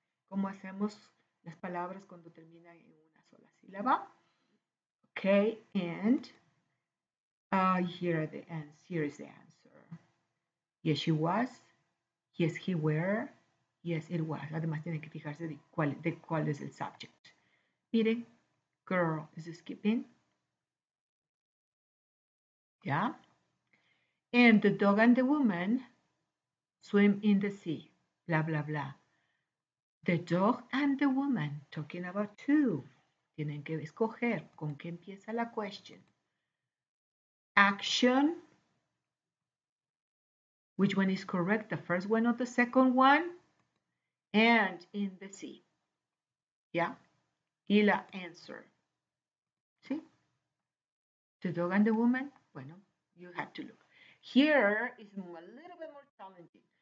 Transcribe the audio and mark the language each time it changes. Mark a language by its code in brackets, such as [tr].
[es] ¿Cómo hacemos las palabras cuando terminan en una sola sílaba? [en] Okay, and... Here is the answer. Yes, she was. Yes, he were. Yes, it was. [es] Además, tienen que fijarse de cuál es el subject. [en] Miren, girl is skipping. Yeah. And the dog and the woman swim in the sea. Blah, blah, blah. The dog and the woman, talking about two. [es] Tienen que escoger con qué empieza la question. [en] Action. Which one is correct, the first one or the second one? And in the sea. Yeah. [es] Y la answer. ¿Sí? [en] The dog and the woman. Bueno, you have to look. Here is a little bit more challenging.